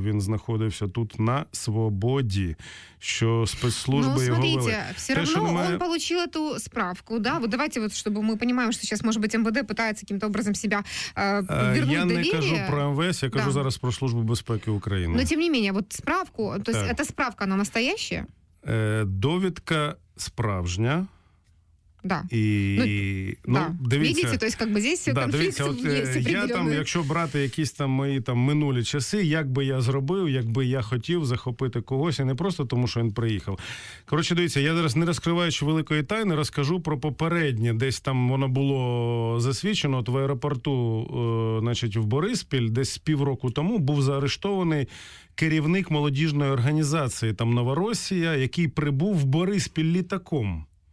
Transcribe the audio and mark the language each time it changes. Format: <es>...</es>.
<uk>Він знаходився тут на свободі, що спецслужби його вели. Ну, смотрите, все одно він отримав ту справку, да? Вот давайте, вот, щоб ми розуміємо, що зараз, може бути, МВД намагається якимось образом себе повернути до лінії. Я не кажу про МВС, я кажу зараз про Службу безпеки України.</uk> <ru>Ну,</ru> <uk>тим не менше,</uk> <ru>вот справку, то есть эта справка, она настоящая?</ru> <uk>Довідка справжня.</uk> <ru>Да. И, ну, да.</ru> <uk>Дивіться,</uk> <ru>видите, то есть как бы здесь все, да, конфликт есть определенный.</ru> <uk>Я там, якщо брати якісь там мої там минулі часи, як би я зробив, якби я хотів захопити когось, і не просто тому, що він приїхав. Коротше, дивіться, я зараз, не розкриваючи великої тайни, розкажу про попереднє. Десь там воно було засвідчено, от в аеропорту, значить, в Бориспіль, десь півроку тому був заарештований керівник молодіжної організації там «Новоросія», який прибув в Бориспіль літаком.</uk>